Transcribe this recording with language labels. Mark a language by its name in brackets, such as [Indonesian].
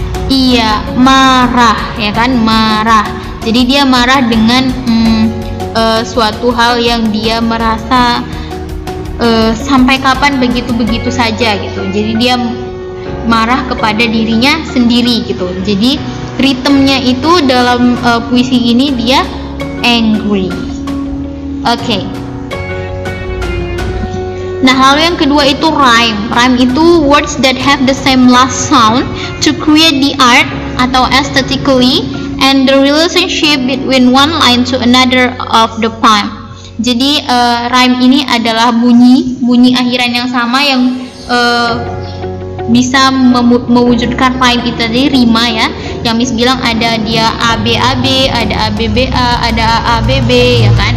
[Indonesian] Iya, marah, ya kan, marah. Jadi dia marah dengan suatu hal yang dia merasa sampai kapan begitu-begitu saja gitu. Jadi dia marah kepada dirinya sendiri gitu. Jadi ritmenya itu dalam puisi ini dia angry. Okay. Nah, lalu yang kedua itu rhyme. [English] Rhyme itu words that have the same last sound to create the art atau aesthetically and the relationship between one line to another of the poem. [Indonesian] Jadi rhyme ini adalah bunyi akhiran yang sama yang bisa mewujudkan rhyme itu tadi, rima ya. Yang Miss bilang ada dia ABAB, ada ABBA, ada AABB, ya kan?